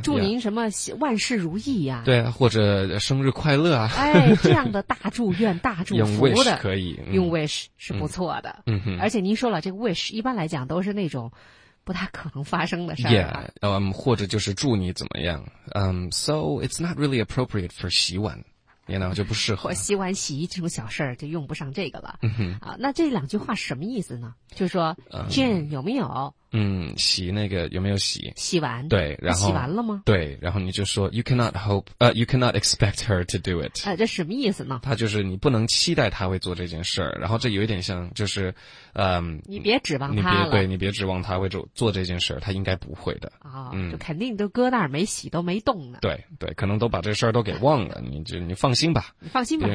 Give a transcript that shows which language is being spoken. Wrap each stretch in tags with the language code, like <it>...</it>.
<zh>祝您什么万事如意啊。对，或者生日快乐啊。哎，这样的大祝愿大祝福的。用 wish 可以。用 wish 是不错的。而且您说了这个 wish 一般来讲都是那种不太可能发生的事儿、啊。 Yeah， 或者就是祝你怎么样。</zh> <en>So it's not really appropriate for</en> <zh>洗碗。 You know， 就不适合。我洗碗洗衣这种小事儿就用不上这个了。那这两句话什么意思呢？就是说 Jane 有没有洗那个有没有洗？洗完。对，然后洗完了吗？对，然后你就说</zh> <en>you cannot hope， you cannot expect her to do it。</en> <zh>这什么意思呢？他就是你不能期待他会做这件事儿，然后这有一点像就是，你别指望他了，你别指望他会做这件事儿，他应该不会的。就肯定都搁那儿没洗，都没动呢。对对，可能都把这事儿都给忘了，你放心吧，你放心吧，</zh>